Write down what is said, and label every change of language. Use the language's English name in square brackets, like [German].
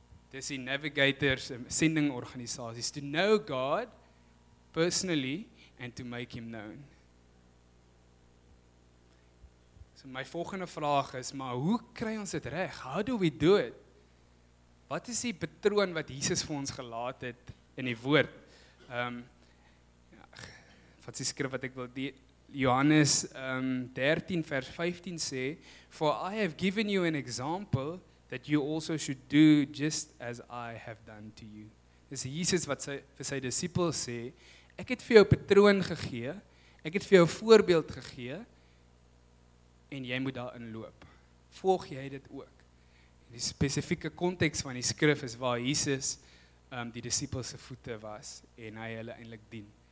[Afrikaans] Dis die Navigators, sending organisaties, [English] to know God, personally, and to make Him known. [Afrikaans] So my volgende vraag is, maar hoe kry ons dit reg? [English] How do we do it? [Afrikaans] Wat is die patroon wat Jesus vir ons gelaat het in die woord? Wat die skrif wat ek wil, Johannes 13 vers 15 sê, [English] for I have given you an example that you also should do just as I have done to you. [Afrikaans] Dis Jesus wat vir sy disciples sê, ek het vir jou patroon gegee, ek het vir jou voorbeeld gegee, en jy moet daarin loop. Volg jy dit ook? Die spesifieke konteks van die skrif is waar Jesus die disciples se voete was, en hy hulle eintlik dien.